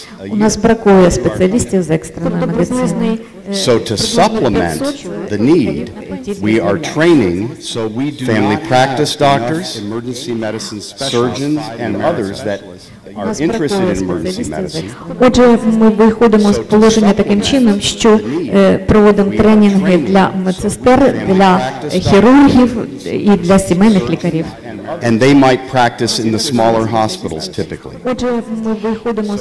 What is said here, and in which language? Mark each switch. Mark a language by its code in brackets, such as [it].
[uk] У нас бракує спеціалістів з екстреної медицини. [en] So to supplement the need, we are training family practice doctors, emergency medicine specialists, surgeons, and others that are interested in emergency medicine. [uk] Отже, ми виходимо з положення таким чином, що проводимо тренінги для медсестер, для хірургів і для сімейних лікарів. [en] And they might practice in the smaller hospitals typically.